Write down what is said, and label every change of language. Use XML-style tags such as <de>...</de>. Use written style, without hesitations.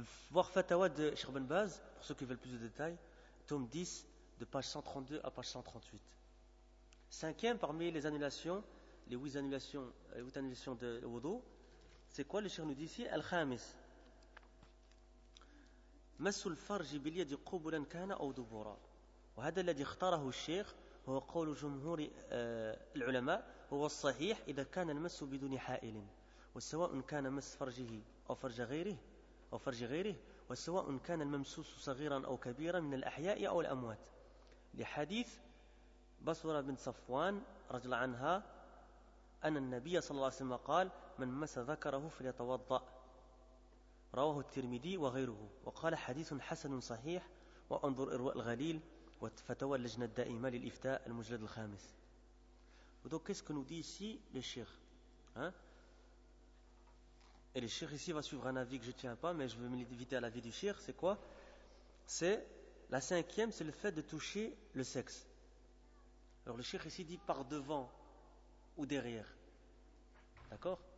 <fr>Voir Fatawa de Cheikh Ibn Baz, pour ceux qui veulent plus de détails, tome 10, de page 132 à page 138. Cinquième parmi les annulations, les huit annulations de wudu, c'est quoi le Cheikh nous dit ici?</fr> <ar>Al-Khamis. مسو الفرج باليد قبلا كان أو دبورا وهذا الذي اختاره الشيخ هو قول جمهور العلماء هو الصحيح إذا كان المس بدون حائل وسواء كان مس فرجه أو فرج غيره أو فرج غيره وسواء كان الممسوس صغيرا أو كبيرا من الأحياء أو الأموات لحديث بصرة بن صفوان رجل عنها أن النبي صلى الله عليه وسلم قال من مس ذكره فليتوضأ رواه الترمذي وغيره وقال حديث حسن صحيح وانظر إرواء الغليل وفتوى اللجنة الدائمة للإفتاء المجلد الخامس.</ar> <fr>Donc qu'est-ce que nous dit ici le Cheikh, hein? Et le Cheikh ici va suivre un avis que je tiens pas, mais je veux m'éviter à l'avis du Cheikh. C'est quoi? C'est la cinquième, c'est le fait de toucher le sexe. Alors le Cheikh ici dit par devant ou derrière, d'accord?</fr>